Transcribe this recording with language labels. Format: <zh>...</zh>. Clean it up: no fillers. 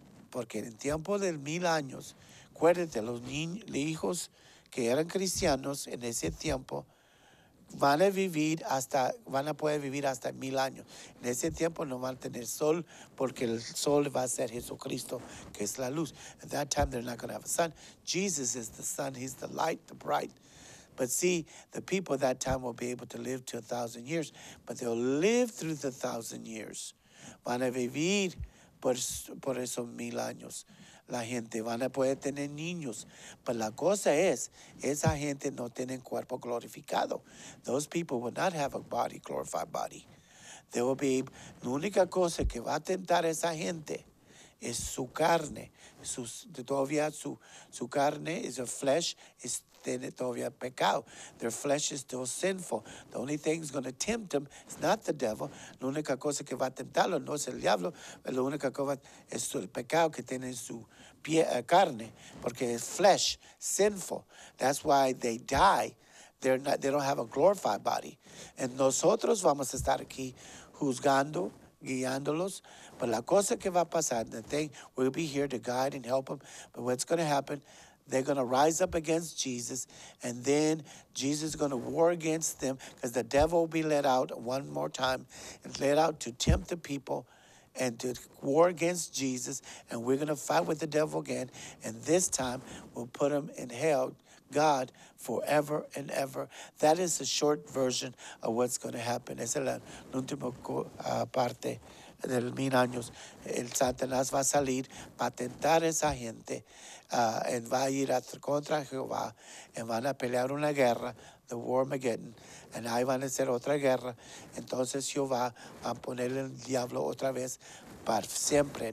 <es>Porque en el tiempo del 1,000 años, acuérdate, los hijos que eran cristianos en ese tiempo van a poder vivir hasta 1,000 años. En ese tiempo no van a tener sol porque el sol va a ser Jesucristo, que es la luz.</es> <en>At that time, they're not going to have a sun. Jesus is the sun. He's the light, the bright. But see, the people at that time will be able to live to 1,000 years, but they'll live through the 1,000 years.</en> <es>Van a vivir por esos 1,000 años. La gente van a poder tener niños. But la cosa es, esa gente no tienen cuerpo glorificado.</es> <en>Those people will not have a body, glorified body. They will be,</en> <es>la única cosa que va a tentar a esa gente es su carne. Todavía su carne</es> <en>is a flesh,</en> <es>es todavía pecado.</es> <en>Their flesh is still sinful. The only thing that's going to tempt them is not the devil.</en> <es>La única cosa que va a tentarlo no es el diablo, pero la única cosa es el pecado que tiene su carne, porque es</es> <en>flesh, sinful. That's why they die. They don't have a glorified body.</en> <es>And nosotros vamos a estar aquí juzgando, guiándolos.</es> <en>But</en> <es>la cosa que va a pasar,</es> <en>the thing, we'll be here to guide and help them. But what's going to happen, they're going to rise up against Jesus. And then Jesus is going to war against them because the devil will be let out one more time and let out to tempt the people and to war against Jesus. And we're going to fight with the devil again. And this time we'll put him in hell, God, forever and ever. That is a short version of what's going to happen.</en> <es>Esa es la última parte del mil años. El Satanás va a salir para tentar a esa gente y va a ir contra Jehová y van a pelear una guerra,</es> <en>the war Armageddon,</en> <es>y ahí van a hacer otra guerra. Entonces Jehová va a poner el diablo otra vez para siempre.</es>